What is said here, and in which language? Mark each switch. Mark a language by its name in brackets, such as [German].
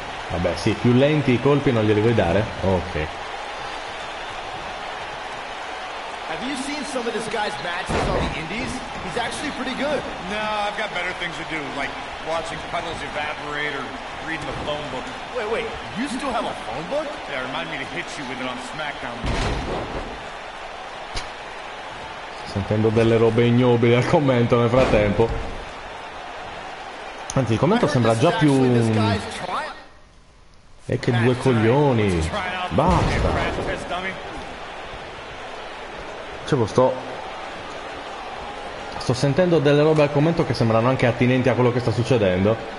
[Italian] Vabbè sì, più lenti i colpi non glieli vuoi dare? Ok. [English] Have you seen some of this guy's matches on the indies? He's actually pretty good. No, I've got better things to do, like watching puddles evaporate or reading the phone book. Wait, you still have a phone book? Yeah, remind me to hit you with it on SmackDown. [Italian] Sentendo delle robe ignobili al commento nel frattempo. Anzi, il commento sembra già più... E che due coglioni! Basta! Dicevo, sto sentendo delle robe al commento che sembrano anche attinenti a quello che sta succedendo.